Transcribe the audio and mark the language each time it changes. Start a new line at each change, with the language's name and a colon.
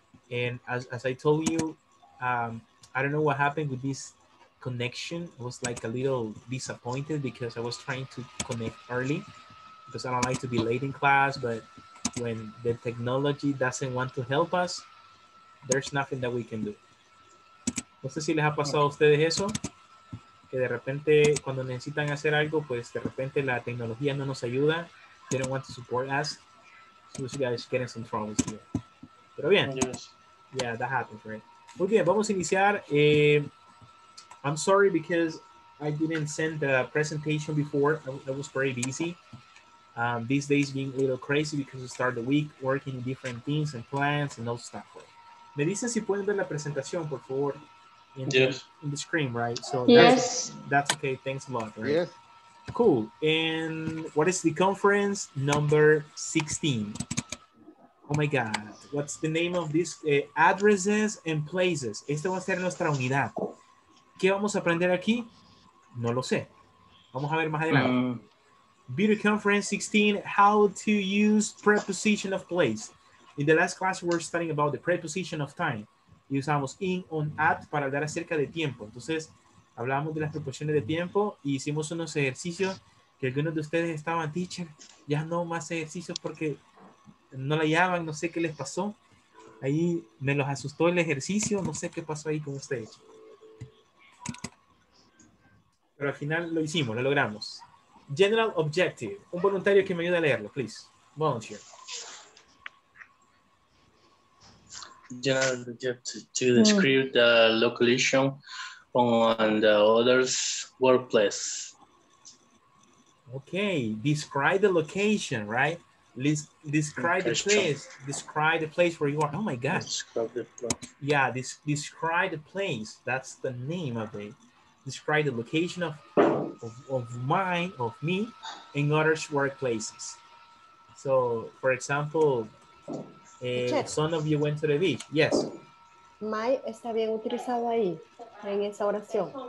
English: And as I told you, I don't know what happened with this connection. I was like a little disappointed because I was trying to connect early because I don't like to be late in class. But when the technology doesn't want to help us, there's nothing that we can do.
Spanish: No sé si les ha pasado a ustedes eso. Que de repente cuando necesitan hacer algo, pues de repente la tecnología no nos ayuda.
English: They don't want to support us. So you guys getting some troubles here.
Spanish: Pero bien.
English: Yes. Yeah, that happens, right?
Spanish: Muy bien, vamos a iniciar.
English: I'm sorry because I didn't send the presentation before. I was very busy. These days being a little crazy because we start the week working in different teams and plans and all stuff.
Spanish: Me dicen si pueden ver la presentación, por favor.
English: In the screen, right? So yes. That's okay. Thanks a lot. Right? Yes. Cool. And what is the conference number 16? Oh my God. What's the name of this? Addresses and places.
Spanish: Esta va a ser nuestra unidad. ¿Qué vamos a aprender aquí? No lo sé. Vamos a ver más adelante.
English: Videoconference 16, how to use preposition of place. In the last class, we're studying about the preposition of time.
Spanish: Y usamos in, on, at para hablar acerca de tiempo. Entonces, hablamos de las preposiciones de tiempo y hicimos unos ejercicios que algunos de ustedes estaban, teacher, ya no más ejercicios porque no la llaman, no sé qué les pasó. Ahí me los asustó el ejercicio, no sé qué pasó ahí con ustedes. Pero al final lo hicimos, lo logramos.
English: General objective.
Spanish: Un voluntario que me ayude a leerlo, please.
English: Volunteer. General objective to describe the location on the other's workplace. Okay, describe the location, right? Describe location. The place. Describe the place where you are. Oh my God. Describe the place. Yeah, describe the place. That's the name of it. Describe the location of mine, of me, in other's workplaces. So, for example, son of you went to the beach. Yes.
Spanish: My está bien utilizado ahí, en esa oración.